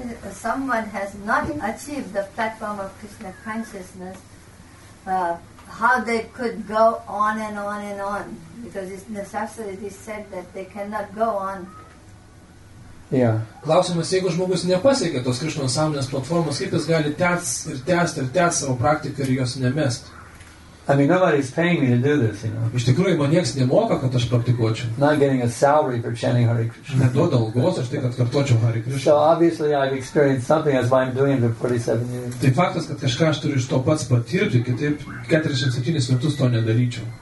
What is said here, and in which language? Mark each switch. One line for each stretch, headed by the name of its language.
English: Someone has not achieved the platform of Krishna consciousness, how they could go on and on and on, because it's necessary, they said that they cannot go on. Yeah.
Lithuanian: Klausimas, jeigu žmogus nepasiekia tos Krishna sąmonės platformos, kaip jis gali tęsti savo praktiką ir jos nemest?
English: I mean, nobody's paying me to do this, you know.
Lithuanian: Iš tikrųjų, man nieks nemoka, kad aš praktikuočiau.
English: Not getting a salary for chanting Hare Krishna.
Lithuanian: Neduoda algos, aš tai, kad kartuočiau Hare Krishna.
English: So obviously I've experienced something, as why I'm doing it for 47 years.
Lithuanian: Tai faktas, kad kažką aš turiu iš to pats patirti, kitaip 47 metus to nedaryčiau.